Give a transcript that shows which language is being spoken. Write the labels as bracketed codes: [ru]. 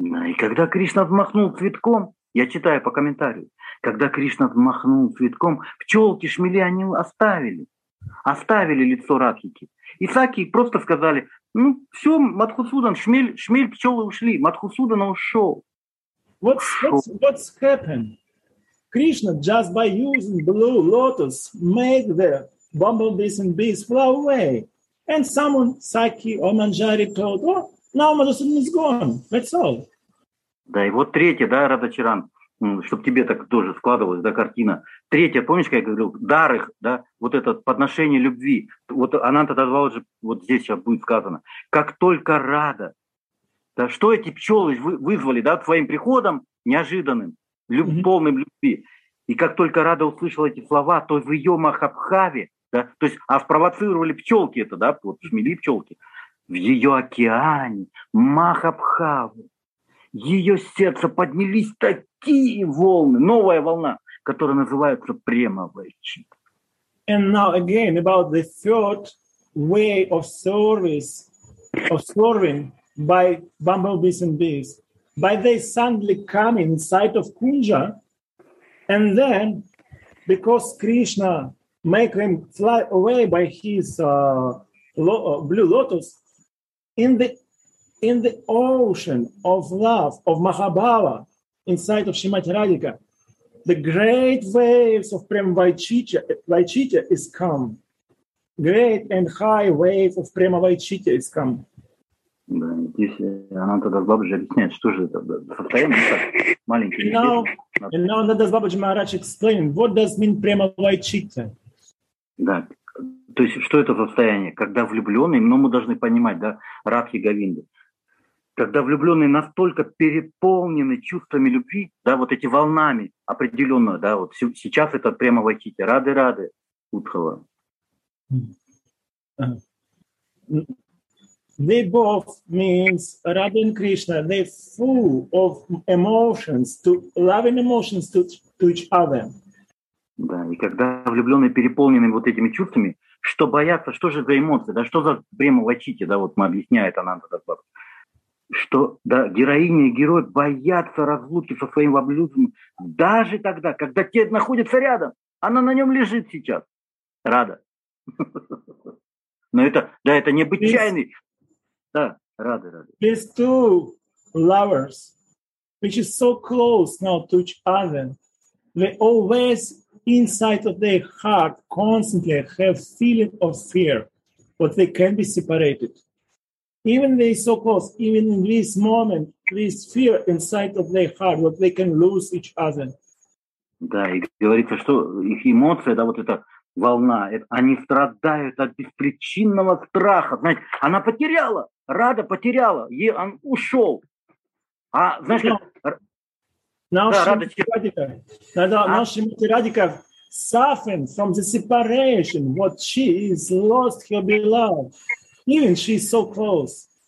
[ru] И когда Кришна взмахнул цветком, я читаю по комментарию, когда Кришна взмахнул цветком, пчелки, шмели, они оставили лицо Радхики. И Саки просто сказали, ну, все, Мадхусудан, шмель, пчелы ушли, Мадхусудан ушел. [en] What's happened? Krishna, just by using blue lotus, made the bumblebees and bees fly away. And someone, Saki or Manjari, told, oh, now Madhusudan is gone. That's all. [ru] Да, и вот третье, да, Радачаран, чтобы тебе так тоже складывалась, да, картина. Третье, помнишь, как я говорил, дар их, да, вот это подношение любви. Вот она тогда звала же, вот здесь сейчас будет сказано. Как только Рада, да, что эти пчелы вызвали, да, твоим приходом неожиданным, полным любви. И как только Рада услышала эти слова, то в ее Махабхаве, да, то есть, а спровоцировали пчелки это, да, вот шмели пчелки, в ее океане Махабхаву, ее сердце поднялись такие волны, новая волна, которая называется према-вайчит. [en] And now again about the third way of service, of serving by bumblebees and bees. By they suddenly come inside of Kunja, and then, because Krishna make him fly away by his blue lotus, in the ocean of love, of Mahabhava, inside of Shrimati Radhika, the great waves of Prema-Vaichitya is come. Great and high waves of Prema-Vaichitya is come. [ru] Да, здесь она тогда Бабаджи объясняет, что же это состояние, как маленький. [en] And now that does Бабаджи Махарадж explain, what does mean Prema-Vaichitya? [ru] Да, то есть что это состояние, когда влюбленный, но мы должны понимать, да, Радхи Говинды, когда влюбленные настолько переполнены чувствами любви, да, вот эти волнами определенно, да, вот сейчас это Prema-Vaichitya, рады-рады, Утхава. [en] They both means Radha and Krishna, they're full of emotions, to loving emotions to each other. [ru] Да, и когда влюбленные переполнены вот этими чувствами, что боятся, что же за эмоции, да, что за Prema-Vaichitya, да, вот мы объясняем она, что да, героиня и герой боятся разлуки со своим влюбленным, даже тогда, когда те находятся рядом, она на нем лежит сейчас, Радха. Но это, да, это необычайный... [en] These two lovers, which is so close now to each other, they always inside of their heart constantly have feeling of fear, but they can be separated. Even they so close, even in this moment, this fear inside of their heart, but they can lose each other. [ru] Да, и говорится, что их эмоции, да, вот это. Волна, это, они страдают от беспричинного страха. Знаете, она потеряла, Радха потеряла, ей он ушел. А, знаешь, [en] Шримати Радхика suffering from the separation, what she is lost her beloved, even she is so close.